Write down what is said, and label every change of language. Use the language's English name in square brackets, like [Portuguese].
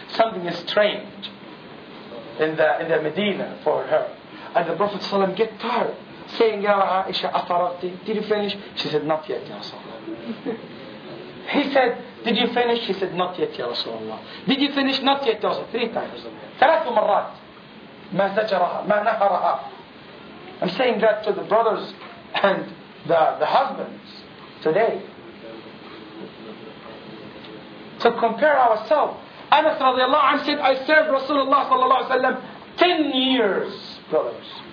[English] Something is strange in the Medina for her. And the Prophet sallallahu alaihi wasallam get tired, saying, [Arabic] "Ya Aisha, afaraghti? [English] Did you finish?" She said, "Not yet, Ya Rasulullah." He said, "Did you finish?" She said, "Not yet, Ya Rasulullah." "Did you finish?" "Not yet, Ya Rasulullah." Three times. [Arabic] ثلاث مرات ما زجرها ما نهرها. [English] I'm saying that to the brothers and the husbands today. So compare ourselves. Anas radiallahu anhu said, "I served Rasulullah sallallahu alaihi wasallam 10 years, brothers.